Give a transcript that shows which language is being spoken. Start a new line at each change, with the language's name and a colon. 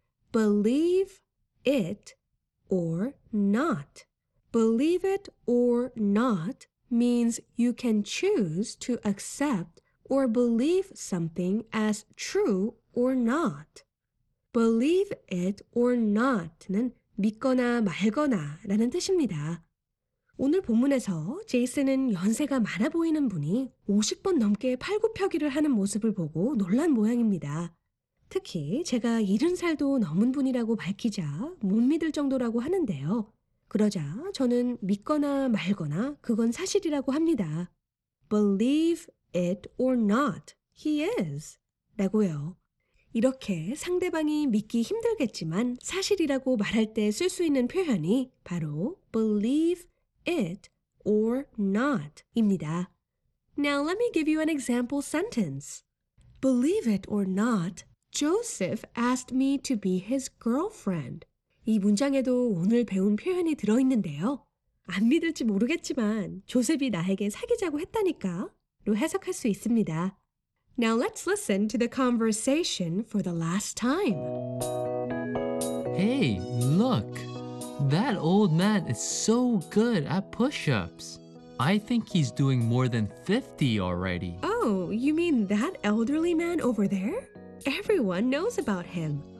English: Believe it or not. Believe it or not means you can choose to accept or believe something as true or not. Believe it or not
Korean: 는 믿거나 말거나 라는 뜻입니다. 오늘 본문에서 제이슨은 연세가 많아 보이는 분이 50번 넘게 팔굽혀기를 하는 모습을 보고 놀란 모양입니다. 특히 제가 70살도 넘은 분이라고 밝히자 못 믿을 정도라고 하는데요. 그러자 저는 믿거나 말거나 그건 사실이라고 합니다.
English: Believe it or not, he is.
Korean: 라고요. 이렇게 상대방이 믿기 힘들겠지만 사실이라고 말할 때 쓸 수 있는 표현이 바로
English: believe it or not
Korean: 입니다.
English: Now let me give you an example sentence. Believe it or not, Joseph asked me to be his girlfriend.
Korean: 이 문장에도 오늘 배운 표현이 들어있는데요. 안 믿을지 모르겠지만 조셉이 나에게 사귀자고 했다니까 로 해석할 수 있습니다.
English: Now let's listen to the conversation for the last time. Hey, look! That old man is so good at push-ups. I think he's doing more than 50 already. Oh, you mean that elderly man over there? Everyone knows about him.